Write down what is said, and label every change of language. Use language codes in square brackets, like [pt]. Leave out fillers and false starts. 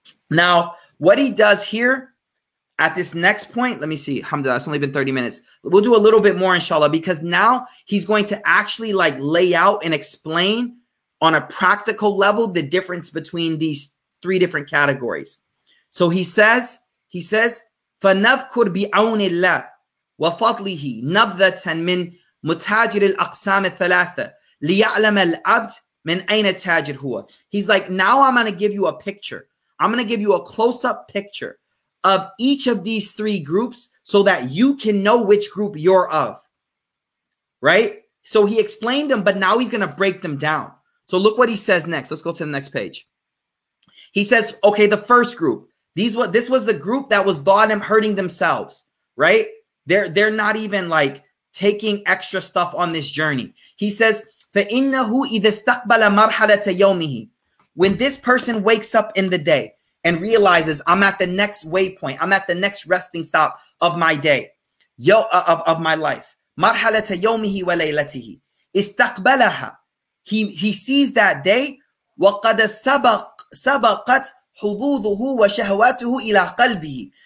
[en] Now, what he does here at this next point, let me see. Alhamdulillah, it's only been 30 minutes. We'll do a little bit more, inshallah, because now he's going to actually like lay out and explain on a practical level the difference between these three different categories. So he says, [ar] فَنَذْكُرْ بِعَوْنِ اللَّهِ وَفَضْلِهِ نَبْذَةً مِنْ مُتَاجِرِ الْأَقْسَامِ الثَّلَاثَةِ لِيَعْلَمَ الْعَبْدُ مِنْ أَيْنَ تَاجِرْ هُوَ. [en] He's like, now I'm going to give you a picture. I'm going to give you a close-up picture of each of these three groups so that you can know which group you're of, right? So he explained them, but now he's going to break them down. So look what he says next. Let's go to the next page. He says, okay, the first group, this was the group that was dhalim, hurting themselves, right? They're not even like taking extra stuff on this journey. He says, [ar] فَإِنَّهُ إِذَا اسْتَقْبَلَ مَرْحَلَةَ يَوْمِهِ. [en] When this person wakes up in the day and realizes, I'm at the next waypoint, I'm at the next resting stop of my day, of my life. [ar] مَرْحَلَةَ يَوْمِهِ وَلَيْلَتِهِ اِسْتَقْبَلَهَا. [en] He sees that day. [ar] وَقَدَ سَبَقَتْ حُضُوذُهُ وَشَهَوَاتُهُ إِلَىٰ قَلْبِهِ.